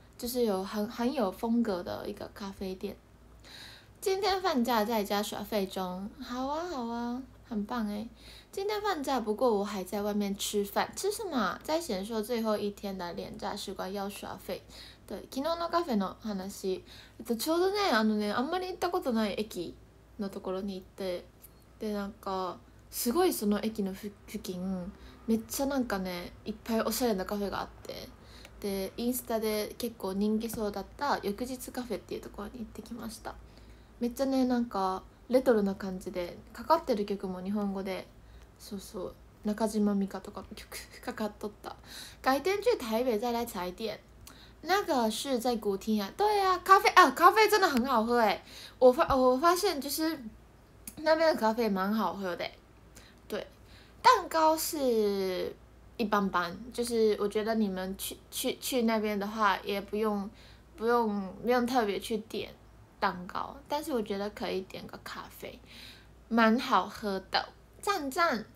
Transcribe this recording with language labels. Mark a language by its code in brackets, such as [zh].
[zh] 就是有很有风格的一个咖啡店。今天放假在家耍废中，好啊好啊，很棒诶。今天放假，不过我还在外面吃饭，吃什么？在闲说最后一天的连假时光要耍废。 [ja] 对，昨日のカフェの話。ちょうどね、あんまり行ったことない駅のところに行って、で、なんか、すごいその駅の付近、めっちゃなんかね、いっぱいおしゃれなカフェがあって。で、インスタで結構人気そうだった翌日カフェっていうところに行ってきました。めっちゃね、なんかレトロな感じで、かかってる曲も日本語で、そうそう、中島美嘉とかの曲 かかっとった。 [zh] 改天去台北再来踩点。那个是在古亭啊？对呀、啊，咖啡啊，咖啡真的很好喝哎！我发现就是那边的咖啡蛮好喝的。对，蛋糕是一般般，就是我觉得你们去那边的话，也不用特别去点蛋糕，但是我觉得可以点个咖啡，蛮好喝的，赞赞。